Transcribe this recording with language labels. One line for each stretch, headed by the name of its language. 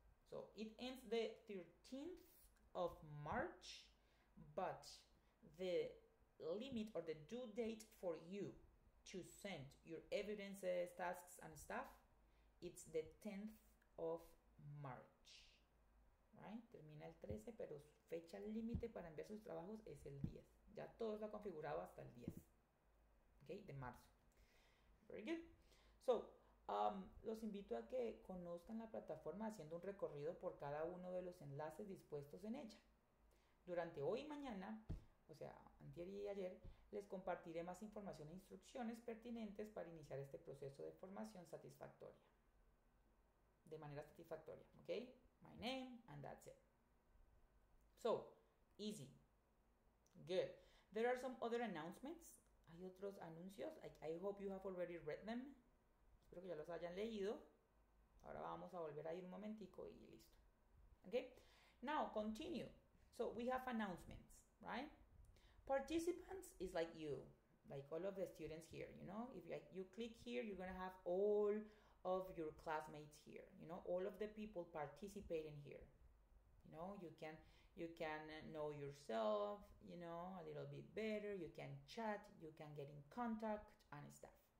English: So it ends the 13th of March, but the limit or the due date for you to send your evidences, tasks, and stuff, it's the 10th of March. Right?
Spanish: Termina el 13, pero su fecha límite para enviar sus trabajos es el 10. Ya todo está configurado hasta el 10, okay, de marzo.
English: Very good.
Spanish: So, los invito a que conozcan la plataforma haciendo un recorrido por cada uno de los enlaces dispuestos en ella. Durante hoy y mañana, o sea, antier y ayer, les compartiré más información e instrucciones pertinentes para iniciar este proceso de formación satisfactoria. De manera satisfactoria,
English: ¿ok? My name and that's it. So, easy. Good. There are some other announcements.
Spanish: Hay otros anuncios.
English: I hope you have already read them.
Spanish: Espero que ya los hayan leído. Ahora vamos a volver ahí un momentico y listo.
English: ¿Ok? Now, continue. So, we have announcements, right? Participants is like you, like all of the students here, you know? If you click here, you're going to have all of your classmates here, you know, all of the people participating here. You know, you can know yourself, you know, a little bit better, you can chat, you can get in contact and stuff.